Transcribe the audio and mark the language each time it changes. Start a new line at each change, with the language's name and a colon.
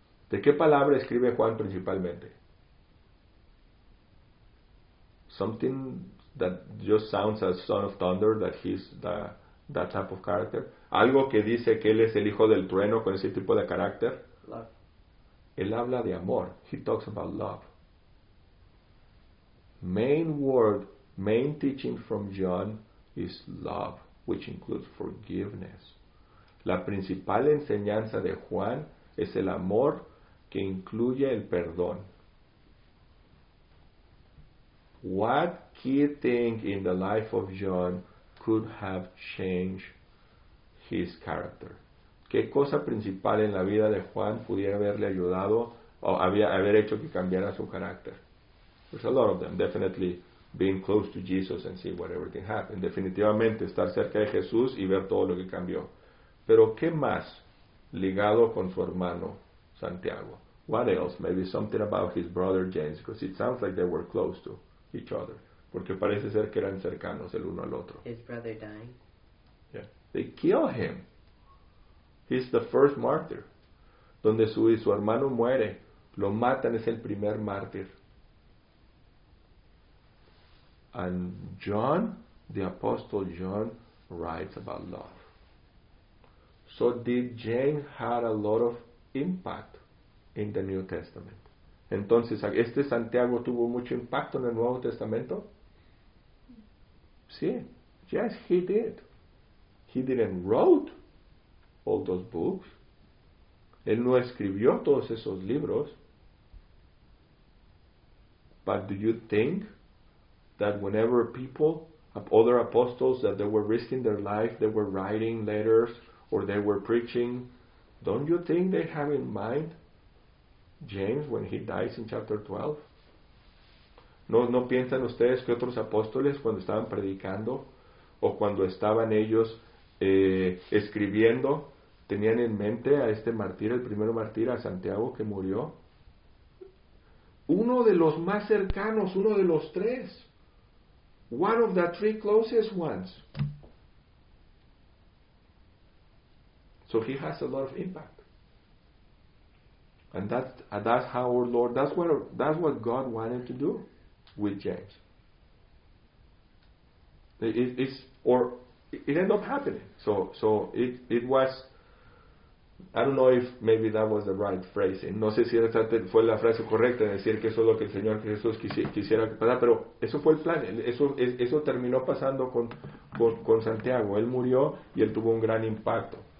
Spanish: ¿De qué palabra escribe Juan principalmente?
English: Something that just sounds as son of thunder, that he's that type of character.
Spanish: Algo que dice que él es el hijo del trueno con ese tipo de carácter.
English: Love.
Spanish: Él habla de amor.
English: He talks about love. Main word, main teaching from John is love, which includes forgiveness.
Spanish: La principal enseñanza de Juan es el amor, que incluye el perdón.
English: What key thing in the life of John could have changed his character?
Spanish: ¿Qué cosa principal en la vida de Juan pudiera haberle ayudado o haber hecho que cambiara su carácter?
English: There's a lot of them. Definitely being close to Jesus and see what everything happened.
Spanish: Definitivamente estar cerca de Jesús y ver todo lo que cambió. Pero ¿qué más ligado con su hermano Santiago?
English: What else? Maybe something about his brother James, because it sounds like they were close to each other.
Spanish: Porque parece ser que eran cercanos el uno al otro.
English: His brother dying. Yeah. They kill him. He's the first martyr.
Spanish: Donde su hermano muere, lo matan, es el primer mártir.
English: And John, the Apostle John, writes about love. So did James had a lot of impact in the New Testament.
Spanish: Entonces, ¿este Santiago tuvo mucho impacto en el Nuevo Testamento?
English: Sí. Yes, he did. He didn't write all those books.
Spanish: Él no escribió todos esos libros.
English: But do you think that whenever people, other apostles, that they were risking their life, they were writing letters or they were preaching, don't you think they have in mind James when he dies in chapter 12?
Spanish: ¿No piensan ustedes que otros apóstoles cuando estaban predicando o cuando estaban ellos escribiendo tenían en mente a este mártir, el primer mártir, a Santiago que murió? Uno de los más cercanos, uno de los tres.
English: One of the three closest ones. So he has a lot of impact. And that's how our Lord, that's what God wanted to do with James. It ended up happening. So it was, I don't know if maybe that was the right phrasing.
Spanish: No sé si esa fue la frase correcta de decir que eso es lo que el Señor Jesús quisiera que pasara, pero eso fue el plan. Eso terminó pasando con Santiago. Él murió y él tuvo un gran impacto.